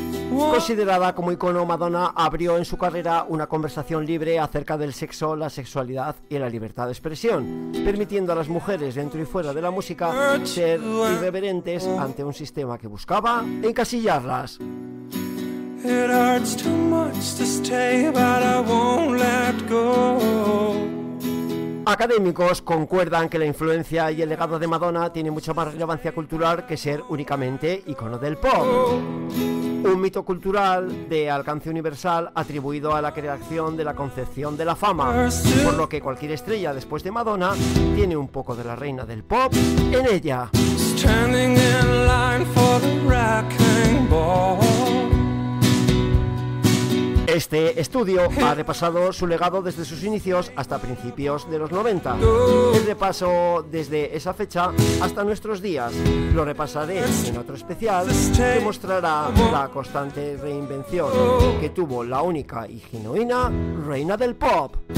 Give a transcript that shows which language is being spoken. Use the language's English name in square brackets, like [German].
[Spanish] Considerada como icono, Madonna abrió en su carrera una conversación libre acerca del sexo, la sexualidad y la libertad de expresión, permitiendo a las mujeres dentro y fuera de la música ser irreverentes ante un sistema que buscaba encasillarlas. [English] It hurts too much to stay, but I won't let go. [Spanish] Académicos concuerdan que la influencia y el legado de Madonna tiene mucha más relevancia cultural que ser únicamente icono del pop. Un mito cultural de alcance universal atribuido a la creación de la concepción de la fama, por lo que cualquier estrella después de Madonna tiene un poco de la reina del pop en ella. [English] Standing in line for the wrecking ball. [Spanish] Este estudio ha repasado su legado desde sus inicios hasta principios de los 90. El repaso desde esa fecha hasta nuestros días. Lo repasaré en otro especial que mostrará la constante reinvención que tuvo la única y genuina reina del pop.